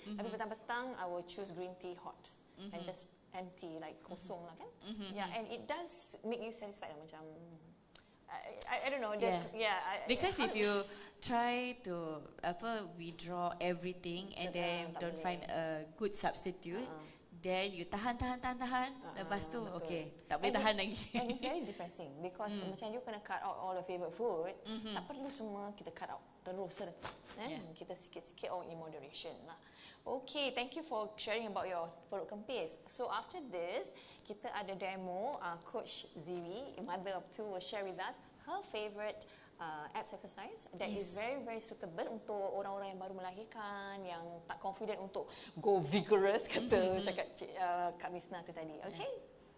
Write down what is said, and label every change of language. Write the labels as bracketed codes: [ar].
[ms] Tapi petang-petang, [en] I will choose green tea hot and just empty, like [ms] kosong lah, kan? [en] And it does make you satisfied, macam. I don't know. Because if you try to withdraw everything and then don't find a good substitute, then you tahan. [ms] Lepas tu, okay, tak boleh tahan lagi. [en] And it's very depressing because macam you kena cut out all the favorite food. [ms] Tak perlu semua kita cut out terus. Kita sikit-sikit [en] all in moderation [ms] lah. [en] Okay, thank you for sharing about your [ms] perut kempis. [en] So after this, [ms] kita ada demo. [en] Coach Ziwi, mother of two, will share with us her favorite abs exercise that is very, very suitable [ms] untuk orang-orang yang baru melahirkan, yang tak confident untuk go vigorous, kata cakap Kak Misna tu tadi. [en] Okay? Yeah.